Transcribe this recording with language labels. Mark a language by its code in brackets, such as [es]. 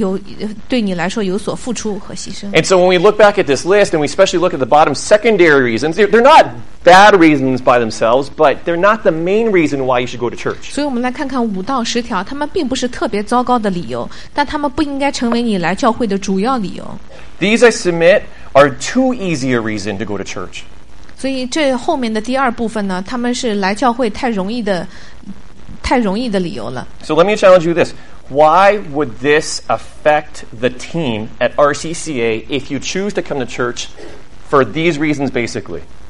[zh] 所以这对神很重要，因为你的敬拜必须是，对你来说有所付出和牺牲。 [en] And so when we look back at this list, and we especially look at the bottom secondary reasons, they're not bad reasons by themselves, but they're not the main reason why you should go to church. [zh] 所以我们来看看5到10条，他们并不是特别糟糕的理由，但他们不应该成为你来教会的主要理由。 [en] These, I submit, are too easy a reason to go to church. [zh] 所以这后面的第二部分呢，他们是来教会太容易的理由了。 [en] So let me challenge you this. Why would this affect the team at RCCA if you choose to come to church for these reasons basically?